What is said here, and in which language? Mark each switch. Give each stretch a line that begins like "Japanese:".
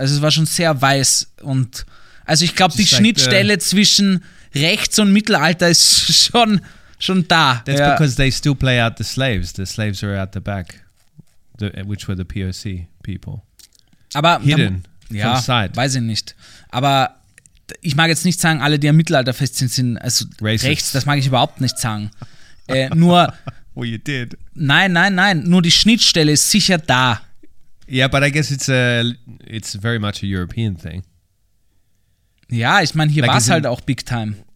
German: Also es war schon sehr weiß und also ich glaube, die Schnittstelle zwischen Rechts und Mittelalter ist schon da.
English: That's because they still play out the slaves. The slaves are out the back, which were the POC people.
German: Aber
English: hidden from sight.
German: Weiß ich nicht. Aber ich mag jetzt nicht sagen, alle, die am Mittelalter fest sind, sind also racist. Rechts, das mag ich überhaupt nicht sagen. Nur...
English: Well, you did.
German: Nein, nein, nein. Nur die Schnittstelle ist sicher da.
English: Yeah, but I guess it's very much a European thing.
German: Ja, ich meine, hier like war es halt auch
English: big time.